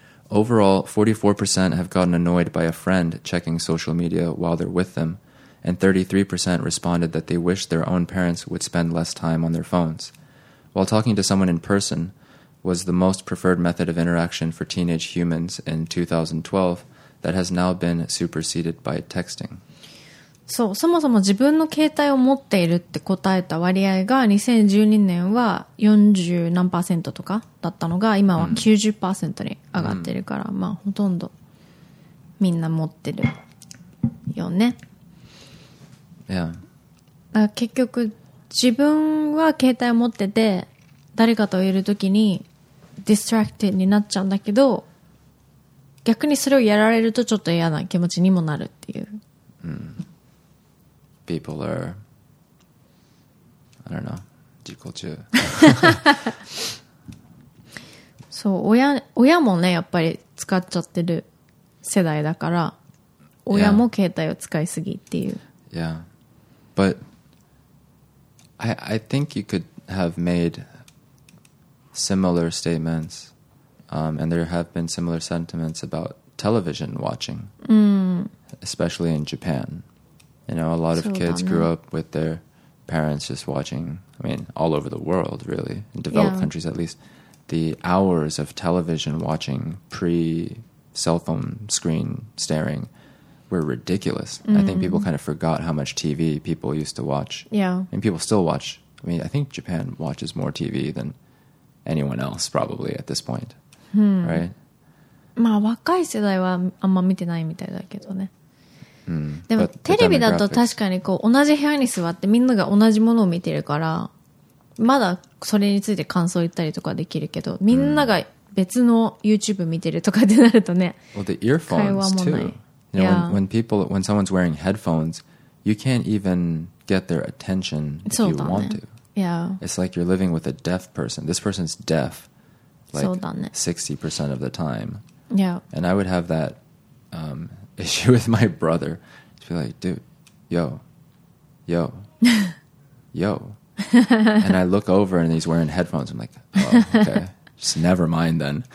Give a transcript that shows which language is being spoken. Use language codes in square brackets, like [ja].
[en] Overall, 44% have gotten annoyed by a friend checking social media while they're with them, and 33% responded that they wish their own parents would spend less time on their phones. While talking to someone in person was the most preferred method of interaction for teenage humans in 2012, that has now been superseded by texting. [ja] そう、そもそも自分の携帯を持っているって答えた割合が2012年は40%何とかだったのが今は 90% に上がってるから、うん、まあほとんどみんな持ってるよね。いや、 [en] yeah. [ja] 結局自分は携帯を持ってて誰かといるときにディストラクティブになっちゃうんだけど、逆にそれをやられるとちょっと嫌な気持ちにもなるっていう。 [en] うん、people are, I don't know, 自己中。 [ja] そう、親もね、やっぱり使っちゃってる世代だから、親も携帯を使いすぎっていう。 [en] Yeah. Yeah. But I think you could have made similar statements, and there have been similar sentiments about television watching, especially in Japan. You know, a lot of kids grew up with their parents just watching, I mean, all over the world, really, in developed countries at least, the hours of television watching pre-cell phone screen staring were ridiculous. I think people kind of forgot how much TV people used to watch. Yeah. And people still watch. I mean, I think Japan watches more TV than anyone else probably at this point. Right? [ja] まあ、若い世代はあんま見てないみたいだけどね。 Mm, でもテレビだと確かにこう同じ部屋に座ってみんなが同じものを見てるから、まだそれについて感想言ったりとかできるけど、みんなが別の YouTube 見てるとかってなるとね、 [en] well, the earphones [ja] 会話もない [en] too. You know, yeah. when someone's wearing headphones, you can't even get their attention if you want to. Yeah. It's like you're living with a deaf person. This person's deaf like 60% of the time. Yeah. And I would have that issue with my brother to be like, dude, yo yo, and I look over and he's wearing headphones. I'm like, oh, okay, just never mind then.